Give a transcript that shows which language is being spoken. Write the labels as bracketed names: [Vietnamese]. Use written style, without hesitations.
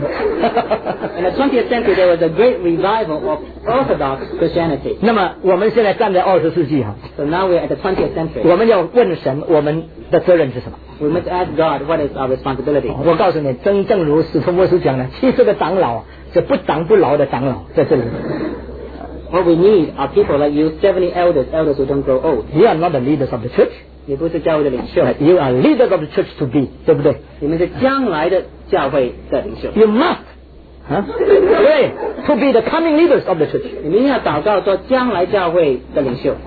[English] In the 20th century, there was a great revival of Orthodox Christianity. [Chinese] 那么我们现在站在20世纪哈。 [English] So now we're at the 20th century. [Chinese] 我们要问神，我们的责任是什么 [English] ？We must ask God what is our responsibility. [Chinese] 我告诉你，真正如史徒牧师讲的，其实的长老是不长不老的长老在这里。 [English] What we need are people like you, 70 elders, elders who don't grow old. You are not the leaders of the church. [Chinese] 你不是教会的领袖 [English] You are leader of the church to be [Chinese] 对不对你们是将来的教会的领袖 [English] You must、to be the coming leaders of the church [Chinese] 你们要祷告做将来教会的领袖